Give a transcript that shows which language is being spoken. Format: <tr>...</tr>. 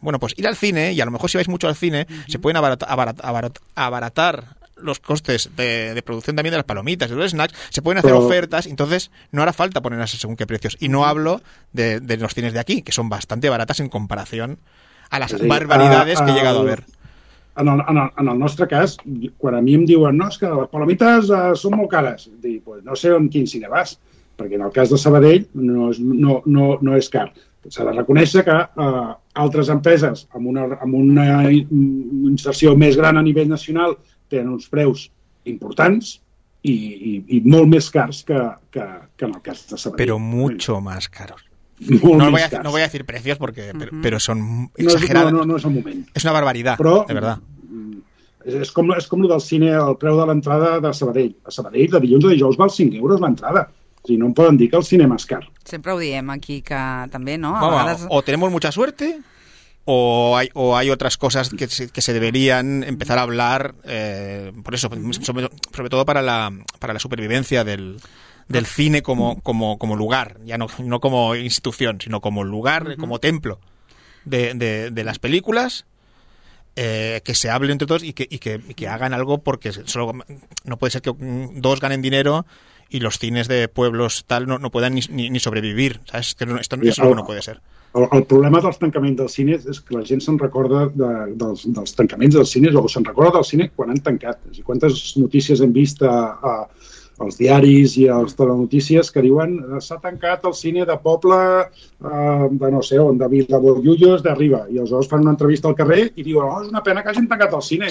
<es>Bueno, pues ir al cine, y a lo mejor si vais mucho al cine, se pueden abaratar los costes de producción también de las palomitas, de los snacks, se pueden hacer ofertas, entonces no hará falta ponerlas según qué precios. Y no hablo de los cines de aquí, que son bastante baratas en comparación a las barbaridades que he llegado a ver.</es> <ca>En el nostre cas, quan a mi em diuen, no, és que les palomitas són molt cares, pues no sé en quin cine vas. Perquè en el cas de Sabadell no és car. S'ha de reconèixer que altres empreses amb una inserció més gran a nivell nacional tenen uns preus importants y molt més cars que en el cas de Sabadell.</ca> <es>Pero mucho más caros. No voy a decir precios porque pero son exagerados. No es un momento. Es una barbaridad,</es> <ca>però,</ca> <es>de verdad.</es> <ca>És com lo del cine, el preu de l'entrada de Sabadell. A Sabadell, de dilluns a dijous, val 5 euros l'entrada. O sigui, no em poden dir que el cinema és car. Sempre ho diem aquí, que també, no? A vegades...</ca> <es>O tenemos mucha suerte, o hay otras cosas que se deberían empezar a hablar, por eso, sobre todo para la supervivencia del cine como lugar, ya no como institución, sino como lugar, como templo de las películas. Que se hable entre todos y que hagan algo, porque solo no puede ser que dos ganen dinero y los cines de pueblos tal no puedan ni sobrevivir, ¿sabes? Que no, esto es algo no puede ser.</es> <ca>El problema dels tancaments dels cines és que la gent se'n recorda dels tancaments dels cines, o se'n recorda del cine quan han tancat. I quantes notícies hem vist als diaris i als telenotícies que diuen s'ha tancat el cine de poble de no sé on, de Vilabellullos, d'arriba, i aleshores fan una entrevista al carrer i diuen oh, és una pena que hagin tancat el cine.</ca>